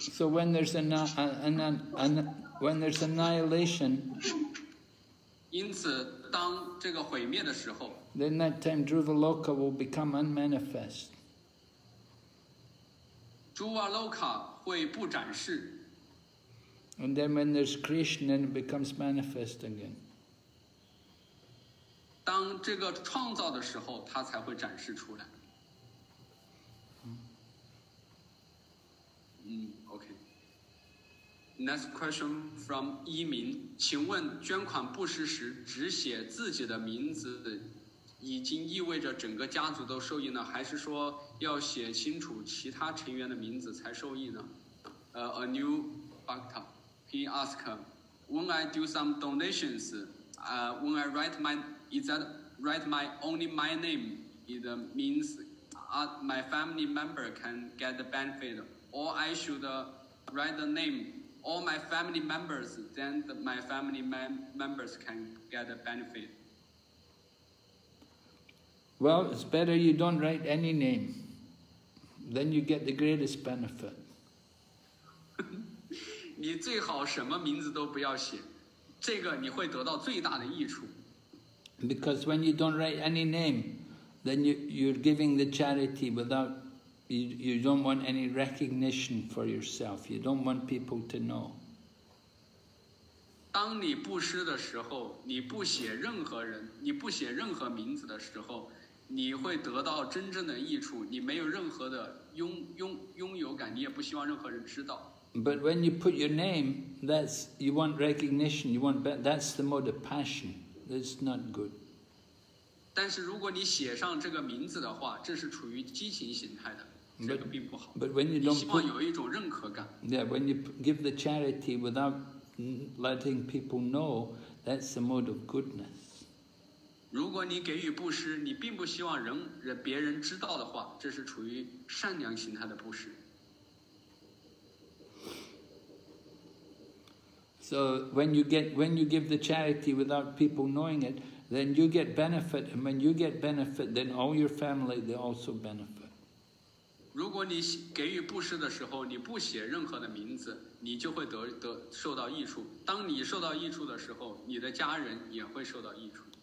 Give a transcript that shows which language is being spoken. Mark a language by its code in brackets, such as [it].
[en] So when there's annihilation, then that time Dhruvaloka will become unmanifest. [zh] Dhruvaloka 会不展示。 [en] And then when there's creation, then it becomes manifest again. [zh] 当这个创造的时候，它才会展示出来。 [en] Next question from [zh] 一民，请问捐款布施时只写自己的名字，已经意味着整个家族都受益呢，还是说要写清楚其他成员的名字才受益呢？ [en] A new bhakta, he asked, when I do some donations, when I write only my name, it means my family member can get the benefit, or I should write the name. All my family members, then my family members can get a benefit. Well, it's better you don't write any name. Then you get the greatest benefit. [zh] 你最好什么名字都不要写，这个你会得到最大的益处。 [en] Because when you don't write any name, then you're giving the charity without... You don't want any recognition for yourself. You don't want people to know. [zh] 当你布施的时候，你不写任何人，你不写任何名字的时候，你会得到真正的益处。你没有任何的拥有感，你也不希望任何人知道。 [en] But when you put your name, that's you want recognition. You want that's the mode of passion. That's not good. [zh] 但是如果你写上这个名字的话，这是处于激情形态的，这个并不好。 [en] But when you don't, [zh] 你希望有一种认可感。 [en] Yeah, when you give the charity without letting people know, that's the mode of goodness. [zh] 如果你给予布施，你并不希望别人知道的话，这是处于善良形态的布施。 [en] So when you give the charity without people knowing it. Then you get benefit, and when you get benefit, then all your family they also benefit. [zh] 如果你给予布施的时候，你不写任何的名字，你就会受到益处。当你受到益处的时候，你的家人也会受到益处。